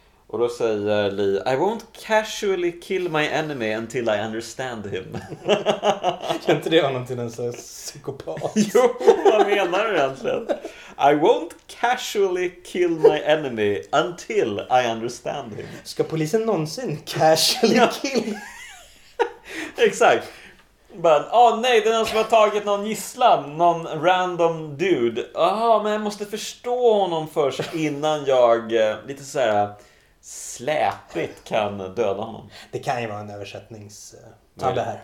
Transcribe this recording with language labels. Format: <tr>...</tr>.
<sv>Och då säger Lee,</sv> <en>I won't casually kill my enemy until I understand him.</en> <sv>Kan inte det ha någon till en sån psykopat? Jo, vad menar du egentligen?</sv> <en>I won't casually kill my enemy until I understand him.</en> <sv>Ska polisen någonsin</sv> <en>casually kill?</en> <sv>Exakt. Men, nej, det är någon som har tagit någon gisslan, någon</sv> <en>random dude.</en> <sv>Men jag måste förstå honom först innan jag lite så här släpigt kan döda honom. Det kan ju vara en översättningstabbe här.</sv>